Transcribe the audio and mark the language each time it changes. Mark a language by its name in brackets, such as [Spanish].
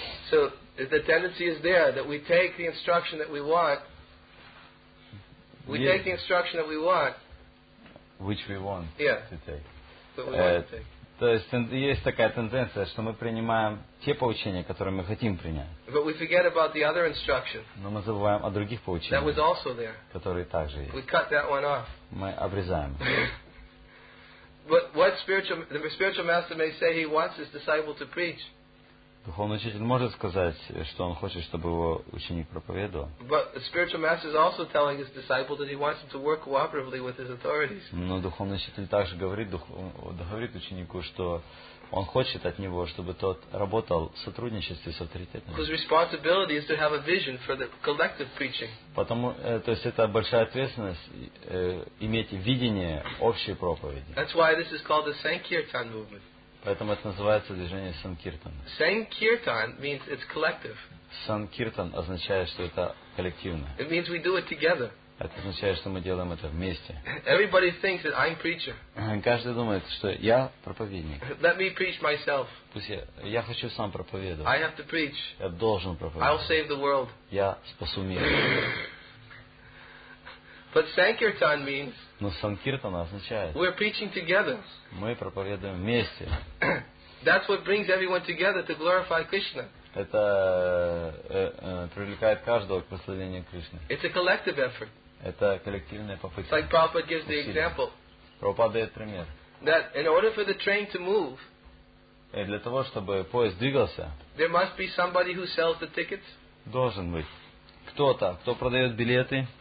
[English] So the tendency is there that we take the instruction that we want. [Russian] Есть такая тенденция, что мы принимаем те поучения, которые мы хотим принять. [English] But we forget about the other instruction. [Russian] Но мы забываем о других поучениях. [English] That was also there. [Russian] Которые также есть. [English] We cut that one off. [Russian] Мы обрезаем. [English] But what the spiritual master may say he wants his disciple to preach. [Russian] Духовный учитель может сказать, что он хочет, чтобы его ученик проповедовал. [English] But the spiritual master is also telling his disciple that he wants him to work cooperatively with his authorities. [Russian] Но духовный учитель также говорит ученику, что он хочет от него, чтобы тот работал в сотрудничестве с авторитетами. [English] His responsibility is to have a vision for the collective preaching. [Russian] Потому, то есть это большая ответственность иметь видение общей проповеди. [English] That's why this is called the Sankirtan movement. [Russian] Поэтому это называется движение Санкиртана. [English] Sankirtan means it's collective. [Russian] Санкиртан означает, что это коллективно. [English] It means we do it together. [Russian] Это означает, что мы делаем это вместе. [English] Everybody thinks that I'm preacher. [Russian] Каждый думает, что я проповедник. [English] Let me preach myself. [Russian] Пусть я хочу сам проповедовать. [English] I have to preach. [Russian] Я должен проповедовать. [English] I'll save the world. [Russian] Я спасу мир. [English] But Sankirtan means. [Russian] Но Санкиртана означает. [English] We're preaching together. [Russian] Мы проповедуем вместе. [English] That's what brings everyone together to glorify Krishna. [Russian] Это привлекает каждого к прославлению Кришны. [English] It's a collective effort. [Russian] Это коллективная попытка. [English] Like Prabhupada gives the example. [Russian] Прабхупада дает пример. [English] That in order for the train to move. [Russian] Для того чтобы поезд двигался. [English] There must be somebody who sells the tickets. [Russian] Должен быть кто-то, кто продает билеты.